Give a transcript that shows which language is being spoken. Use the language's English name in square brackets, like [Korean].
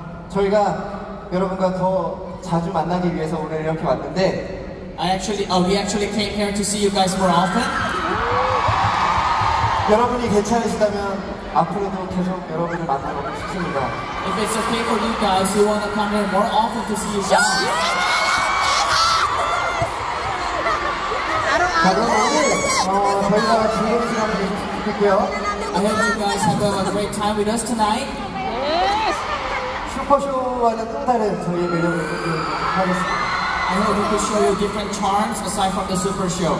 [Korean] 저희가 여러분과 더 자주 만나기 위해서 오늘 이렇게 왔는데 [English] We actually came here to see you guys more often. [Korean] 여러분이 괜찮으시다면 앞으로도 계속 여러분을 만나고 싶습니다. [English] If it's okay for you guys, you want to come here more often to see you guys. [Korean] 저희가 즐거운 시간 보내셨으면 좋겠고요. [English] I hope you guys have a great time with us tonight. [Korean] 슈퍼쇼와는 또 다른 저희의 매력을 보여드리도록 하겠습니다. [English] I hope we can show you different charms aside from the super show.